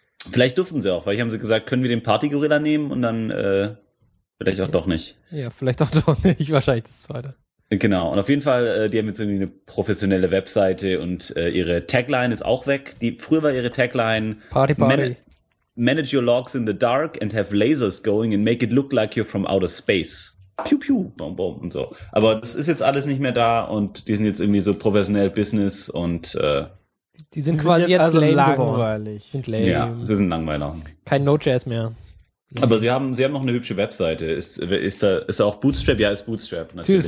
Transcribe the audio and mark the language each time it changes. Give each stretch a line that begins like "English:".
German: Vielleicht durften sie auch, weil ich haben sie gesagt, können wir den Party-Gorilla nehmen und dann vielleicht auch doch nicht. Ja, vielleicht auch doch nicht. Wahrscheinlich das Zweite. Genau, und auf jeden Fall, die haben jetzt irgendwie eine professionelle Webseite und ihre Tagline ist auch weg. Früher war ihre Tagline Party, Party.
English: Manage your logs in the dark and have lasers going and make it look like you're from outer space.
German: Piu, piu, boom, boom und so. Aber das ist jetzt alles nicht mehr da und die sind jetzt irgendwie so professionell Business und die sind quasi jetzt also lame langweilig. Sind lame. Ja, sie sind langweiler. Kein Node.js mehr. Nee. Aber sie haben noch eine hübsche Webseite. Ist da auch Bootstrap? Ja, ist Bootstrap. Natürlich.